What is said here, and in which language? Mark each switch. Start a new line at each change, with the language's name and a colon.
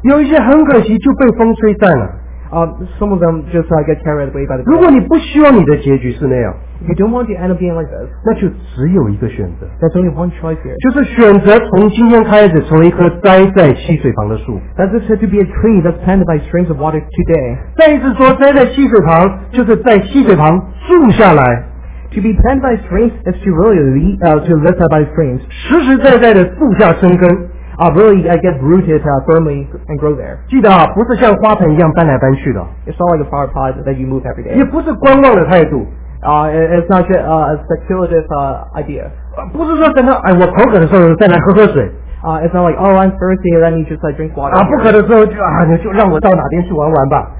Chinese: 有一些很可惜就被风吹散了。
English: Some of them just get carried away by the wind.
Chinese: 如果你不希望你的结局是那样，
English: If you don't want the end of being like this,
Chinese: 那就只有一个选择。
English: That's only one choice here.
Chinese: 就是选择从今天开始成为一棵栽在溪水旁的树。
English: That just had to be a tree that's planted by streams of water today.
Chinese: 再一次说，栽在溪水旁就是在溪水旁住下来。
English: To be planted by streams is to really to live by streams.
Chinese: 实实在在的住下生根。
English: Really, I get rooted firmly and grow there.
Chinese: 记得啊，不是像花盆一样搬来搬去的。
English: It's not like a flower pot that you move every day.
Chinese: 也不是观望的态度。
English: It's not just a speculative idea.
Chinese: 不是说等到哎我口渴的时候再来喝喝水。
English: It's not like oh I'm thirsty, let me just drink water.
Chinese: 不渴的时候就让我到哪边去玩玩吧。